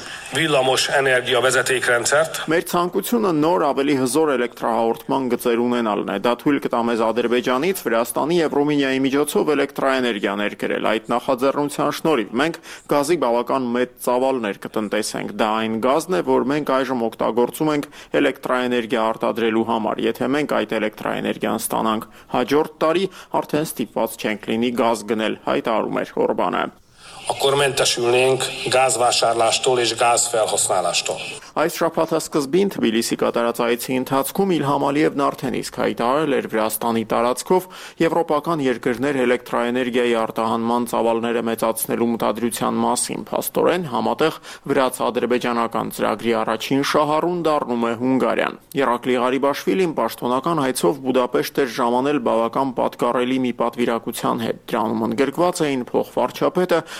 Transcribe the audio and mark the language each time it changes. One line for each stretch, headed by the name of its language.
Hungarian: Villamos Energia vezetékrendszert.
Armenian: Մեր ցանկությունը նոր ավելի հզոր էլեկտրահաղորդման գծեր ունենալն է։ Դա թույլ կտա մեզ Ադրբեջանից, Վրաստանի եւ Ռումինիայի միջոցով էլեկտրաէներգիա ներկրել։ Այդ նախաձեռնության շնորհիվ մենք գազի բավական մեծ ծավալներ կտնտեսենք։ Դա այն գազն է, որ մենք այժմ օգտագործում ենք էլեկտրաէներգիա արտադրելու համար։ Եթե մենք այդ էլեկտրաէներգիան ստանանք հաջորդ տարի, արդեն ստիպված չենք լինի գազ գնել, հայտարարում էր Օրբանը։
Hungarian: Akkor mentesülnénk gázvásárlástól és gázfelhasználástól.
Armenian: Այս շրափաթասկզբին Թբիլիսի կատարած այցի ընթացքում Իլհամ Ալիևն արդեն իսկ հայտարարել էր Վրաստանի տարածքով եվրոպական երկրներ էլեկտրաէներգիայի արտահանման ծավալները մեծացնելու մտադրության մասին։ Փաստորեն համատեղ վրաց-ադրբեջանական ծրագրի առաջին շահառուն դառնում է Հունգարիան։ Իրակլի Ղարիբաշվիլին պաշտոնական հայցով Բուդապեշտ էր ժամանել բավական պատկառելի մի պատվիրակության հետ։ Դրանում ընդգրկված էին փոխվարչապետը,